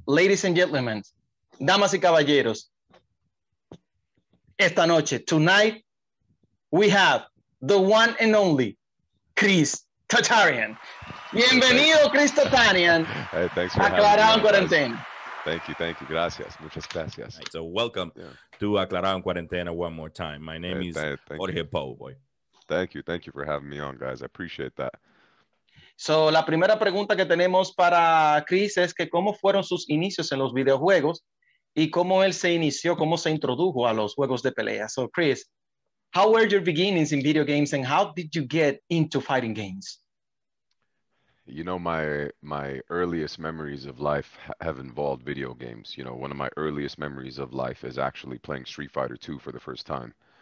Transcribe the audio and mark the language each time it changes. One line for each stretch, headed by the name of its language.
English: Ladies and gentlemen,
Spanish: damas y caballeros, esta noche,
English: tonight, we have the one and only Chris Tatarian.
Spanish: Bienvenido, Chris Tatarian.
English: Hey, thanks for
Spanish: Aclarao en Cuarentena.
English: Thank you.
Spanish: Gracias. Muchas gracias.
English: Right, so welcome to Aclarao en Cuarentena one more time. My name is Jorge Peguero. Thank you for having me on, guys. I appreciate that.
Spanish: So, la primera pregunta que tenemos para Chris es que cómo fueron sus inicios en los videojuegos y cómo él se inició, cómo se introdujo a los juegos de pelea.
English: So, Chris, how were your beginnings in video games and how did you get into fighting games? You know, my earliest memories of life have involved video games. You know, one of my earliest memories of life is actually playing Street Fighter 2 for the first time.